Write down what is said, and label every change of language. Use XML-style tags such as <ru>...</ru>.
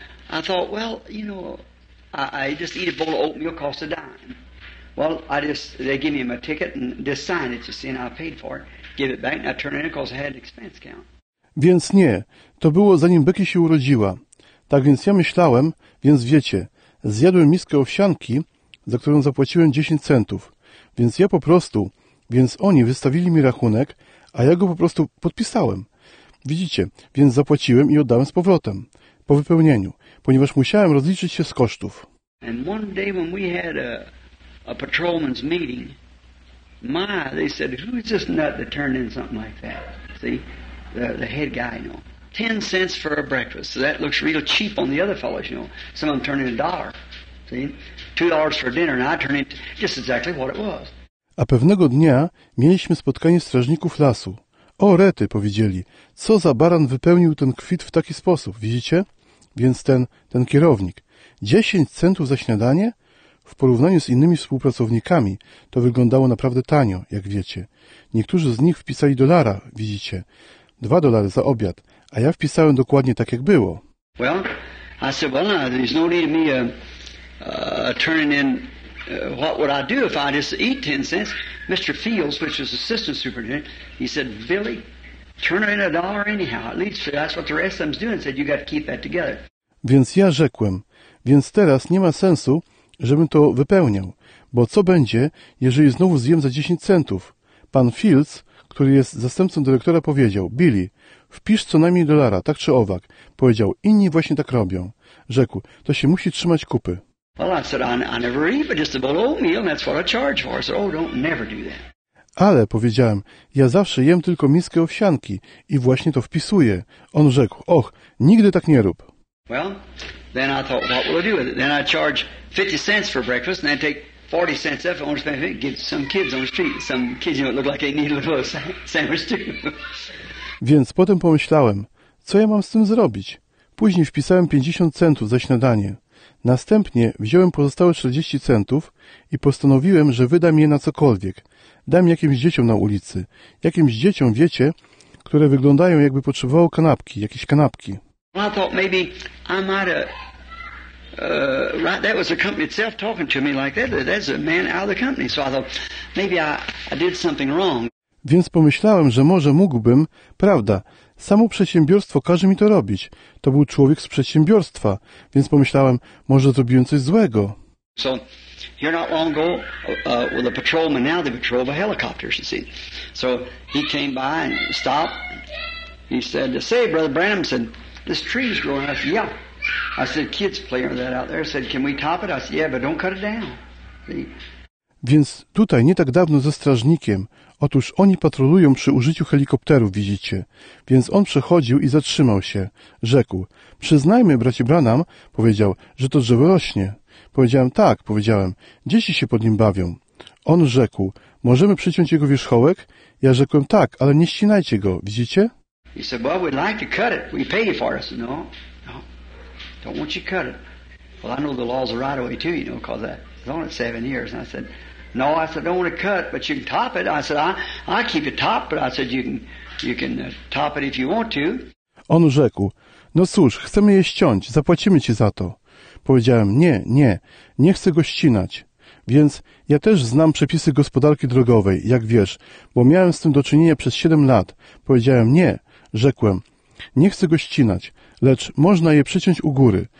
<en>I thought, well, you know, I just eat a bowl of oatmeal, cost a dime. Well, they give me my ticket and just sign it, you see, and I paid for it, give it back, and I turn it in because I had an expense account.</en> <pl>Więc nie, to było zanim Becky się urodziła. Tak więc ja myślałem, więc wiecie, zjadłem miskę owsianki, za którą zapłaciłem 10 centów. Więc ja po prostu, więc oni wystawili mi rachunek, a ja go po prostu podpisałem. Widzicie, więc zapłaciłem i oddałem z powrotem. Po wypełnieniu, ponieważ musiałem rozliczyć się z kosztów.</pl> <en>And one day when we had a patrolman's meeting, my, they said, who's this nut that turned in something like that? See, the head guy, you know. 10 cents for a breakfast. So that looks real cheap on the other fellows, you know. Some of them turn in $1. See, $2 for dinner, and I turn in just exactly what it was.</en> <pl>A pewnego dnia mieliśmy spotkanie strażników lasu. O, Rety, powiedzieli, co za baran wypełnił ten kwit w taki sposób, widzicie? Więc ten kierownik. 10 centów za śniadanie? W porównaniu z innymi współpracownikami to wyglądało naprawdę tanio, jak wiecie. Niektórzy z nich wpisali dolara, widzicie. $2 za obiad, a ja wpisałem dokładnie tak, jak było.</pl> <en>Well, I said, well, no, there's no need me turning in what would I do if I just eat 10 cents? Mr. Fields, which is assistant superintendent, he said, Billy, turn in a dollar anyhow. At least that's what the rest of them's doing. Said, you got to keep that together.</en> <pl>Więc ja rzekłem, więc teraz nie ma sensu, żebym to wypełniał, bo co będzie, jeżeli znowu zjem za 10 centów? Pan Fields, który jest zastępcą dyrektora, powiedział, Billy, wpisz co najmniej dolara, tak czy owak. Powiedział, inni właśnie tak robią. Rzekł, to się musi trzymać kupy.</pl> <en>Well, I said, I never eat, but just a bowl of oatmeal, and that's what I charge for. I said, oh, don't never do that.</en> <pl>Ale, powiedziałem, ja zawsze jem tylko miskę owsianki i właśnie to wpisuję. On rzekł, och, nigdy tak nie rób.</pl> <en>Well, then I thought, what will I do with it? Then I charge 50 cents for breakfast, and then take 40 cents off, and give some kids on the street, some kids, you know, look like they need a little sandwich too.</en> <pl>Więc potem pomyślałem, co ja mam z tym zrobić? Później wpisałem 50 centów za śniadanie. Następnie wziąłem pozostałe 40 centów i postanowiłem, że wydam je na cokolwiek. Dam jakimś dzieciom na ulicy. Jakimś dzieciom, wiecie, które wyglądają jakby potrzebowało kanapki, jakieś kanapki.</pl> <en>I thought maybe I might have... Right, that was the company itself talking to me like that. That's a man out of the company. So I thought maybe I did something wrong.</en> <pl>Więc pomyślałem, że może mógłbym, prawda, samo przedsiębiorstwo każe mi to robić. To był człowiek z przedsiębiorstwa, więc pomyślałem, może zrobiłem coś złego.</pl> <en>So, here not long ago, with a patrolman, now the patrol of a helicopter, you see. So, he came by and stopped. He said, say, Brother Branham, said, this tree is growing. I said, yeah. I said, kids playing with that out there. I said, can we top it? I said, yeah, but don't cut it down. See?</en> <pl>Więc tutaj, nie tak dawno ze strażnikiem, otóż oni patrolują przy użyciu helikopterów, widzicie. Więc on przechodził i zatrzymał się. Rzekł, przyznajmy, bracie Branham, powiedział, że to drzewo rośnie. Powiedziałem, tak, powiedziałem, dzieci się pod nim bawią. On rzekł, możemy przyciąć jego wierzchołek? Ja rzekłem, tak, ale nie ścinajcie go, widzicie?</pl> <en>He said, well, we'd like to cut it. We pay you for it. I said, no, no, don't want you to cut it. Well, I know the laws are right away too, you know, because it's only 7 years. And I said, no, I said, I don't want to cut, but you can top it. I said, I keep it top, but I said, you can top it if you want to.</en> <pl>On rzekł, no cóż, chcemy je ściąć, zapłacimy ci za to. Powiedziałem, nie chcę go ścinać. Więc ja też znam przepisy gospodarki drogowej, jak wiesz, bo miałem z tym do czynienia przez 7 lat. Powiedziałem, nie, rzekłem, nie chcę go ścinać, lecz można je przyciąć u góry.</pl>